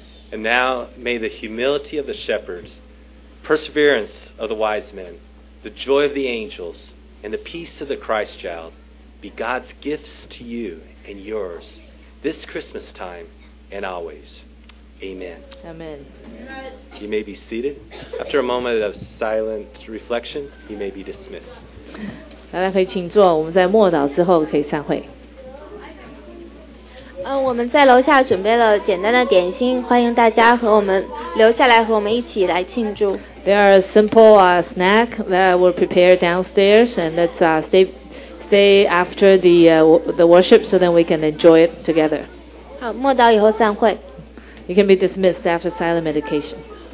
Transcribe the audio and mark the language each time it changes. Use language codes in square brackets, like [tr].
[en] And now may the humility of the shepherds, perseverance of the wise men, the joy of the angels, and the peace of the Christ child be God's gifts to you and yours this Christmas time and always. Amen. Amen. You may be seated. After a moment of silent reflection, you may be dismissed. [zh] 大家可以请坐，我们在默祷之后可以散会。我们在楼下准备了简单的点心，欢迎大家和我们留下来，和我们一起来庆祝。 [en] There are a simple snack that were prepared downstairs, and let's stay after the worship so then we can enjoy it together. [zh] 好，默祷以后散会。 [en] You can be dismissed after silent meditation.